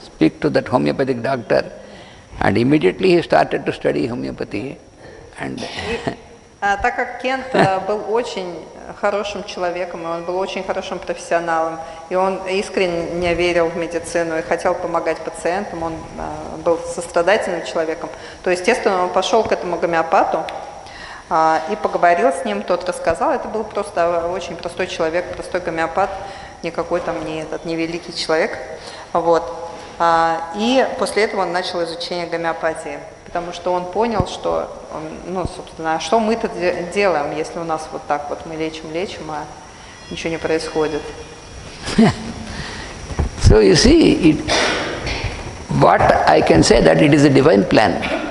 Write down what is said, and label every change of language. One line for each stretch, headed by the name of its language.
English: speak to that homeopathic doctor, and immediately he started to study homeopathy. And
Russian: так как Кент был очень хорошим человеком, и он был очень хорошим профессионалом, и он искренне верил в медицину и хотел помогать пациентам, он был сострадательным человеком, то естественно он пошел к этому гомеопату и поговорил с ним, тот рассказал, это был просто очень простой человек, простой гомеопат, никакой там не этот, не великий человек, вот. И после этого он начал изучение гомеопатии, потому что он понял, что, ну, собственно, что мы-то делаем, если у нас вот так вот мы лечим-лечим, а ничего не происходит.
English: So you see, what I can say that it is a divine plan.